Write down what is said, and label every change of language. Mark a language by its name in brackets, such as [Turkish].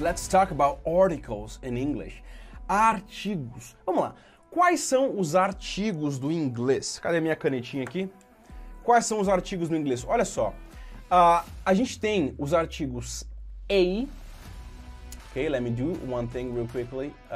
[English] Let's talk about articles in English. [Portuguese] Artigos. Vamos lá. Quais são os artigos do inglês? Cadê a minha canetinha aqui? Quais são os artigos no inglês? Olha só. A gente tem os artigos a. [English] Ok, let me do one thing real quickly.